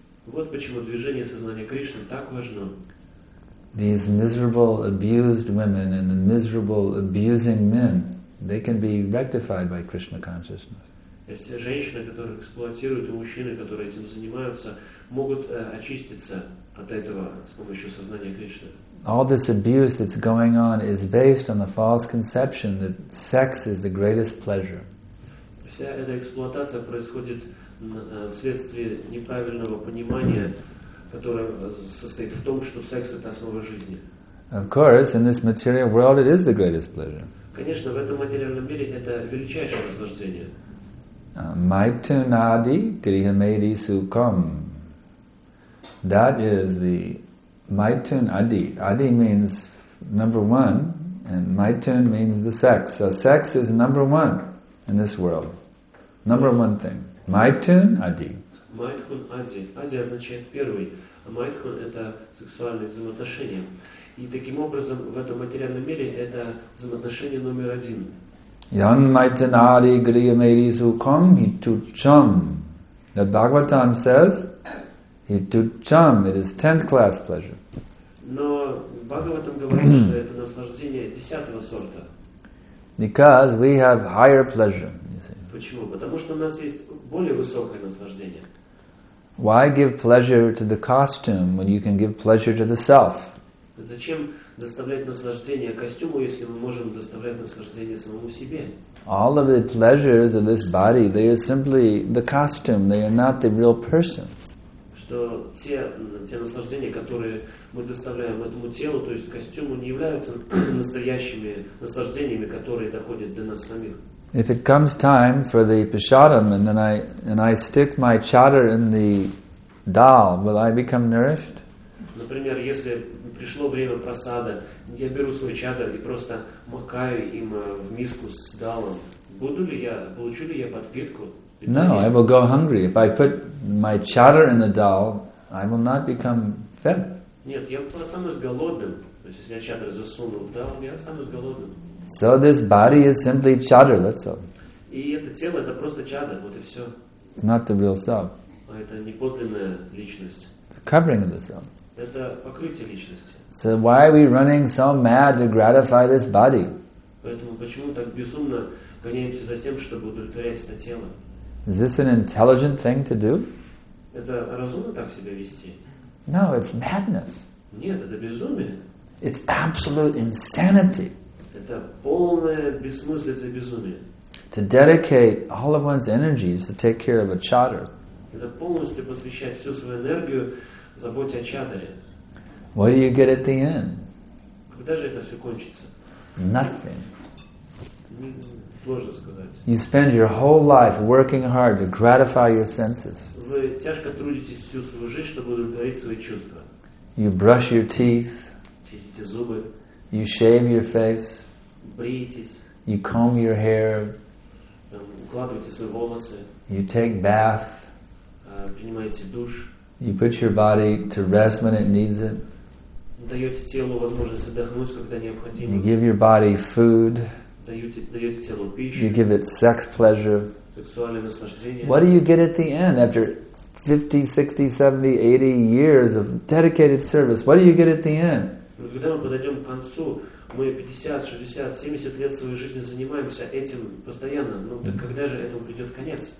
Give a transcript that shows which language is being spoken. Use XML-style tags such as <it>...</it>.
<ru>Вот почему движение сознания Кришны так важно.</ru> <en>These miserable abused women and the miserable abusing men, they can be rectified by Krishna consciousness.</en> <ru>Эти женщины, которые эксплуатируют, и мужчины, которые этим занимаются, могут очиститься от этого с помощью сознания Кришны.</ru> <en>All this abuse that's going on is based on the false conception that sex is the greatest pleasure.</en> <ru>Вся эта эксплуатация происходит вследствие неправильного понимания, которое состоит в том, что секс — это основа жизни.</ru> <en>Of course, in this material world, it is the greatest pleasure.</en> <ru>Конечно, в этом материальном мире это величайшее наслаждение.</ru> <sa>Maitunadi grihamedi sukham.</sa> <en>That is the Maitun Adi. Adi means number one, and Maitun means the sex. So sex is number one in this world. Number one thing. Maitun Adi. Maitun Adi.</en> <ru>Adi означает первый, а Maitun — это сексуальные взаимоотношения. И таким образом в этом материальном мире это взаимоотношение номер один.</ru> <sa>Yan Maitun Adi grihamedi sukham hitucham.</sa> <en>The Bhagavatam says,</en> <sa>hitucham,</sa> <en>it is 10th class pleasure.</en> <ru>Но Бхагаватам говорит, что это наслаждение 10-го сорта.</ru> <en>Because we have higher pleasure, you see.</en> <ru>Почему? Потому что у нас есть более высокое наслаждение.</ru> <en>Why give pleasure to the costume when you can give pleasure to the self?</en> <ru>Зачем доставлять наслаждение костюму, если мы можем доставлять наслаждение самому себе?</ru> <en>All of the pleasures of this body, they are simply the costume, they are not the real person.</en> <ru>Что те наслаждения, которые мы доставляем этому телу, то есть костюму, не являются настоящими наслаждениями, которые доходят до нас самих.</ru> <en>If it comes time for the pishadam and then I stick my chatter in the dal, will I become nourished?</en> <ru>Например, если пришло время просада, я беру свой чатер и просто макаю им в миску с далом, буду ли я, получу ли я подпитку?</ru> <en>No, I will go hungry. If I put my chatter in the dal, I will not become fed.</en> <ru>Нет, я останусь голодным. То есть, если я чатер засуну в дал, я останусь голодным.</ru> <en>So this body is simply chatter, that's all.</en> <ru>И это тело, это просто чатер, вот и все.</ru> <en>It's not the real self.</en> <ru>А это не подлинная личность.</ru> <en>It's a covering of the self.</en> <ru>Это покрытие личности.</ru> <en>So why are we running so mad to gratify this body?</en> <ru>Поэтому почему так безумно гоняемся за тем, чтобы удовлетворять это тело?</ru> <en>Is this an intelligent thing to do?</en> <ru>Это разумно так себя вести?</ru> <en>No, it's madness.</en> <ru>Нет, это безумие.</ru> <en>It's absolute insanity.</en> <ru>Это полное бессмыслица и безумие.</ru> <en>To dedicate all of one's energies to take care of a chatter.</en> <ru>Это полностью посвящать всю свою энергию заботе о чатере.</ru> <en>What do you get at the end?</en> <ru>Когда же это все кончится?</ru> <en>Nothing.</en> <ru>Сложно сказать.</ru> <en>You spend your whole life working hard to gratify your senses.</en> <ru>Вы тяжко трудитесь всю свою жизнь, чтобы удовлетворить свои чувства.</ru> <en>You brush your teeth.</en> <ru>Чистите зубы.</ru> <en>You shave your face.</en> <ru>Бреетесь.</ru> <en>You comb your hair.</en> <ru>Укладываете свои волосы.</ru> <en>You take bath.</en> <ru>Принимаете душ.</ru> <en>You put your body to rest when it needs it.</en> <ru>Даете телу возможность отдохнуть, когда необходимо.</ru> <en>You give your body food.</en> <ru>Даете телу пищу.</ru> <en>You give it sex pleasure.</en> <ru>Сексуальное наслаждение.</ru> <en>What do you get at the end after 50, 60, 70, 80 years of dedicated service? What do you get at the end?</en> <ru>Когда мы подойдем к концу, мы 50, 60, 70 лет своей жизни занимаемся этим постоянно. Ну, так когда же этому придет конец?</ru>